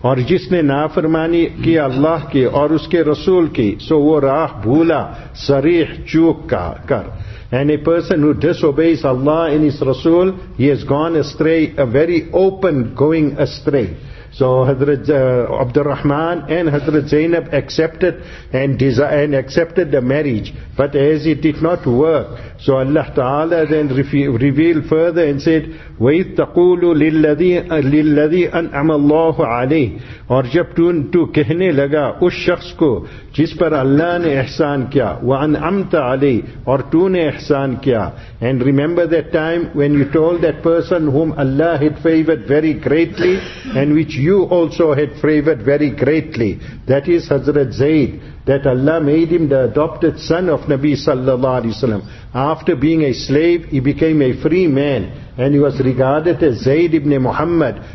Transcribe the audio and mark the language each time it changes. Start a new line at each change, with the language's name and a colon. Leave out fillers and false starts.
Urdu: اور جس نے نافرمانی کی اللہ کی اور اس کے رسول کی, سو وہ راہ بھولا صریح چوک کر.
English: And a person who disobeys Allah and his Rasul, he has gone astray, a very open going astray. So Hazrat Abdurrahman and Hazrat Zainab accepted the marriage, but as it did not work, so Allah Ta'ala then revealed further and said,
Arabic: وَإِذْ تَقُولُ لِلَّذِي أَنْعَمَ اللَّهُ عَلَيْهِ.
Urdu: اور جب تو کہنے لگا اس شخص کو جس پر اللہ نے احسان کیا,
Arabic: وَأَنْعَمْتَ عَلَيْهِ,
Urdu: اور تو نے احسان کیا.
English: And remember that time when you told that person whom Allah had favored very greatly and which you also had favored very greatly, that is Hazrat Zayd, that Allah made him the adopted son of Nabi sallallahu alaihi wasallam. After being a slave, he became a free man, and he was regarded as Zayd ibn Muhammad.